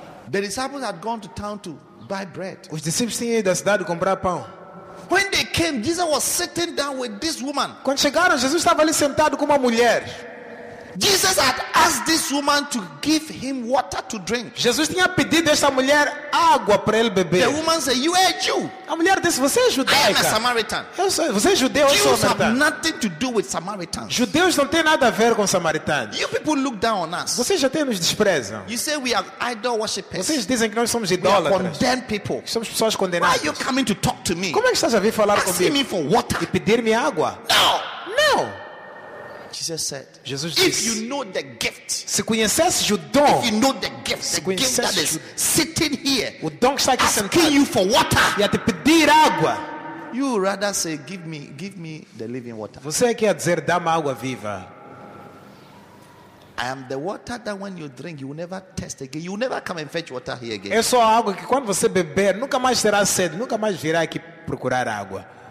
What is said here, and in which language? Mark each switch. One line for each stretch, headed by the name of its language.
English: The disciples had gone to town to buy bread.
Portuguese: Os discípulos tinham ido à cidade comprar pão.
English: When they came, Jesus was sitting down with this woman.
Portuguese: Quando chegaram, Jesus estava ali sentado com uma mulher.
English: Jesus had asked this woman to give him water to drink.
Portuguese: Jesus tinha pedido esta mulher água para ele beber.
English: The woman said, "You are a Jew."
Portuguese: A mulher disse, "Você é judaica."
English: I am a Samaritan.
Portuguese: Eu sou, você é judeu,
English: Jews
Portuguese: eu sou samaritano.
English: Have nothing to do with Samaritans.
Portuguese: Judeus não têm nada a ver com samaritanos.
English: You people look down on us.
Portuguese: Vocês até nos desprezam.
English: You say we are idol worshippers.
Portuguese: Vocês dizem que nós somos idólatras.
English: We are condemned people.
Portuguese: Somos pessoas condenadas.
English: Why are you coming to talk to me?
Portuguese: Como é que estás a vir falar
English: asking
Portuguese: comigo?
English: Me for water.
Portuguese: E pedir-me água?
English: No.
Portuguese: No.
English: Jesus said,
Portuguese: Jesus
English: if
Portuguese: disse,
English: you know the gift,
Portuguese: se conhecesse o dom,
English: if you know the gift, the gift that is sitting here,
Portuguese: o dom que está aqui
English: asking
Portuguese: sentado,
English: you for water,
Portuguese: e a te pedir água,
English: you rather say, give me the living water.
Portuguese: Você quer dizer, dá-me água viva.
English: I am the water that when you drink, you will never thirst again. You will never come and fetch water here again.
Portuguese: Eu sou a água que quando você beber, nunca mais terá sede, nunca mais virá aqui procurar água.